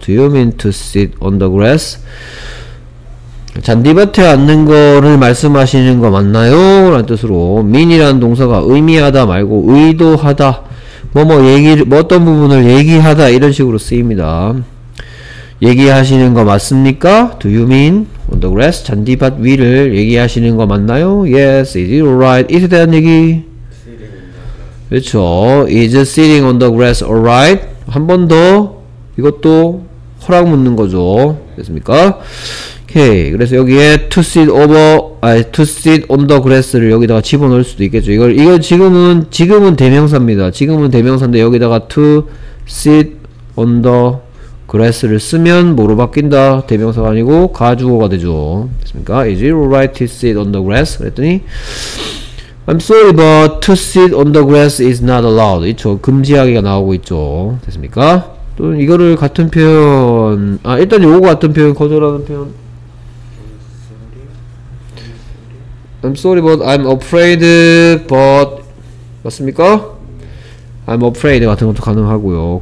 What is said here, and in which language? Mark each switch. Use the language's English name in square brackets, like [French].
[English] Do you mean to sit on the grass? [Korean] 잔디밭에 앉는 거를 말씀하시는 거 맞나요? 라는 뜻으로 mean이라는 동사가 의미하다 말고 의도하다 뭐뭐 얘기를 뭐 어떤 부분을 얘기하다 이런 식으로 쓰입니다. 얘기하시는 거 맞습니까? [English] Do you mean on the grass? [Korean] 잔디밭 위를 얘기하시는 거 맞나요? [English] Yes, is it alright? [Korean] It에 대한 얘기 그렇죠. [English] Is sitting on the grass alright? [Korean] 한 번 더 이것도 허락 묻는 거죠. 됐습니까? 오케이. 그래서 여기에 [English] to sit on the grass [Korean] 를 여기다가 집어넣을 수도 있겠죠. 이걸 지금은 대명사입니다. 지금은 대명사인데 여기다가 [English] to sit on the grass [Korean] 를 쓰면 뭐로 바뀐다? 대명사가 아니고 가주어가 되죠. 됐습니까? [English] Is it alright to sit on the grass? [Korean] 그랬더니 [English] I'm sorry but to sit on the grass is not allowed. [Korean] 이쪽 금지하기가 나오고 있죠. 됐습니까? 또 이거를 같은 표현 일단 요거 같은 표현 거절하는 표현 [English] I'm sorry, but I'm afraid, but [Korean] 맞습니까? [English] I'm afraid [Korean] 같은 것도 가능하고요.